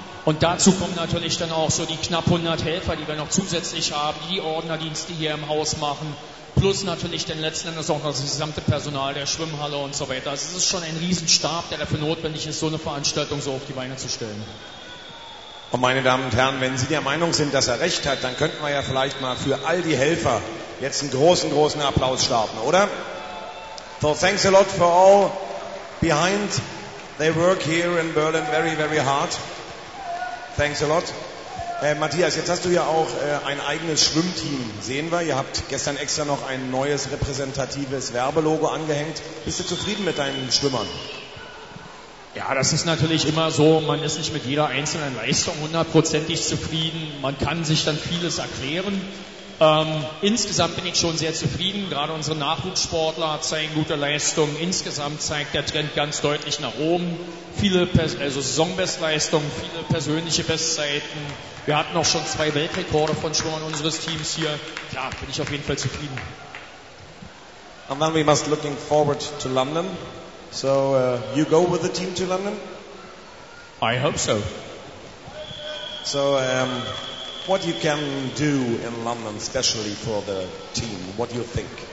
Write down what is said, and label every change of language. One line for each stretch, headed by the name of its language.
German: Und dazu kommen natürlich dann auch so die knapp 100 Helfer, die wir noch zusätzlich haben, die Ordnerdienste hier im Haus machen, plus natürlich dann letzten Endes auch noch das gesamte Personal der Schwimmhalle und so weiter. Also es ist schon ein Riesenstab, der dafür notwendig ist, so eine Veranstaltung so auf die Beine zu stellen. Und meine Damen und Herren, wenn Sie der Meinung sind, dass er recht hat, dann könnten wir ja vielleicht mal für all die Helfer jetzt einen großen, großen Applaus starten, oder?
English: So thanks a lot for all behind. They work here in Berlin very, very hard. Thanks a lot.
German: Matthias, jetzt hast du ja auch ein eigenes Schwimmteam, sehen wir. Ihr habt gestern extra noch ein neues repräsentatives Werbelogo angehängt. Bist du zufrieden mit deinen Schwimmern? Ja, das ist natürlich immer so. Man ist nicht mit jeder einzelnen Leistung hundertprozentig zufrieden. Man kann sich dann vieles erklären. Insgesamt bin ich schon sehr zufrieden. Gerade unsere Nachwuchssportler zeigen gute Leistungen. Insgesamt zeigt der Trend ganz deutlich nach oben. Viele Saisonbestleistungen, viele persönliche Bestzeiten. Wir hatten auch schon 2 Weltrekorde von Schwimmern unseres Teams hier. Ja, bin ich auf jeden Fall zufrieden.
English: And then we must looking forward to London. So, you go with the team to London? I hope so. So, what you can do in London, especially for the team, what do you think?